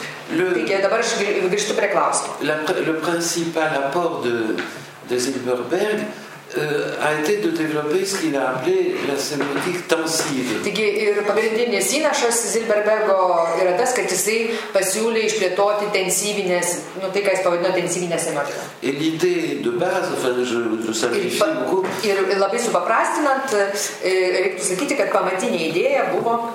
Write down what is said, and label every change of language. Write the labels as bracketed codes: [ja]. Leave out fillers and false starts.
[fr] Le principal apport de Zilberberg a été de développer ce qu'il a appelé la sémiotique tensive. [lt] Taigi, ir pagrindinės įnašas Zilberbergo yra tas, kad jisai pasiūlė išplėtoti tensyvinės, nu tai, ką jis pavadino tensyvinę semiotiką. [fr] Et l'idée de base, enfin, je simplifie beaucoup. [lt] Ir labai supaprastinant, reiktų sakyti, kad pamatinė idėja buvo...